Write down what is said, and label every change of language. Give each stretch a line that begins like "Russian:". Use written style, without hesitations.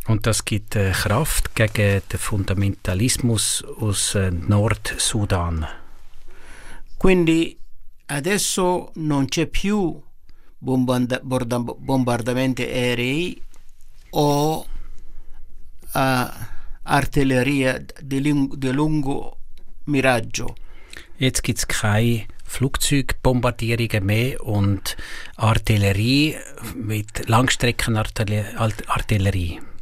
German: Und das gibt Kraft gegen den Fundamentalismus aus Nord-Sudan.
Italian: Quindi adesso non c'è più bombardamenti aerei o artiglieria di lungo miraggio.
German: Jetzt gibt es keine Flugzeugbombardierungen mehr und Artillerie mit Langstreckenartillerie.